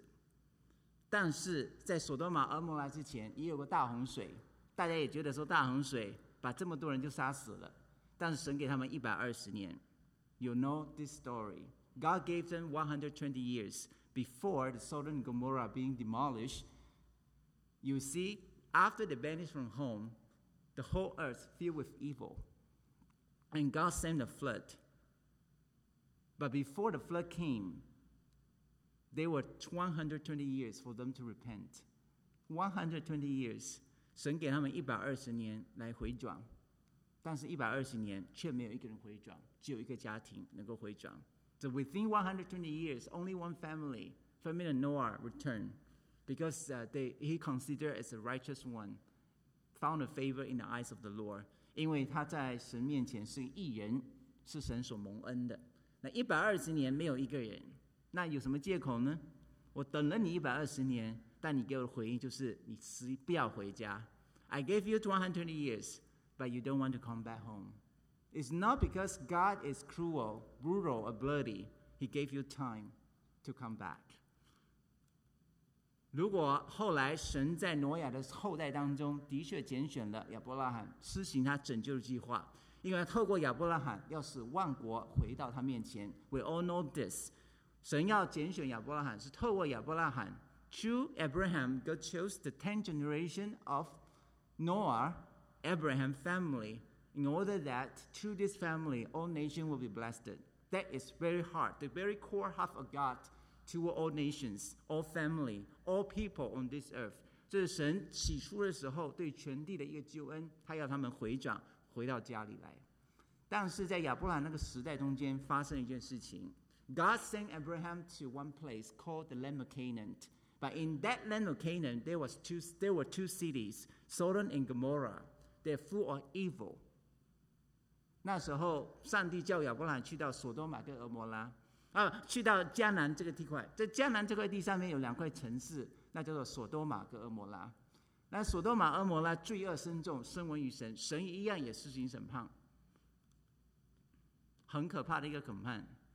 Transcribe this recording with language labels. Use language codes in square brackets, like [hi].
[zh] 因为他爱我们的缘故，他要我们回转，他给我们机会，他甚至要考验我们对他的真心。这是上帝的心意，所以就不要离开家。当年索多玛俄摩拉所发生的事情是非常可怕的一件事。但是在索多玛俄摩拉之前，也有个大洪水，大家也觉得说大洪水把这么多人就杀死了。但是神给他们120年。 [en] You know this story. God gave them 120 years before the Sodom and Gomorrah being demolished. You see, after they banished from home, the whole earth filled with evil. And God sent a flood. But before the flood came, there were 120 years for them to repent. 120 years. [zh] 神给他们120年来回转，但是120年却没有一个人回转，只有一个家庭能够回转。 [en] So within 120 years, only one family, family of Noah, returned because he considered as a righteous one, found a favor in the eyes of the Lord. [zh] 因为他在神面前是义人，是神所蒙恩的。那120年没有一个人，那有什么借口呢？我等了你120年，但你给我的回应就是你死不要回家。 [en] I gave you 120 years, but you don't want to come back home. It's not because God is cruel, brutal, or bloody. He gave you time to come back. [zh] 如果后来神在挪亚的后代当中的确拣选了亚伯拉罕，施行他拯救的计划，因为透过亚伯拉罕要使万国回到他面前。 [en] We all know this. [zh] 神要拣选亚伯拉罕是透过亚伯拉罕。 [en] Through Abraham, God chose the 10th generation of Noah, Abraham's family, in order that through this family, all nations will be blessed. That is very hard, the very core heart of God toward all nations, all family, all people on this earth. [zh] 这是神起初的时候对全地的一个救恩，他要他们回转，回到家里来。但是在亚伯拉罕那个时代中间发生一件事情。 [en] God sent Abraham to one place called the land of Canaan. But in that land of Canaan, there were two cities, Sodom and Gomorrah. They're full of evil. [zh] 那时候，上帝叫亚伯拉罕去到索多玛跟俄摩拉，去到迦南这个地块。在迦南这块地上面有两块城市，那叫做索多玛跟俄摩拉。那索多玛、俄摩拉罪恶深重，声闻于神，神一样也施行审判，很可怕的一个审判。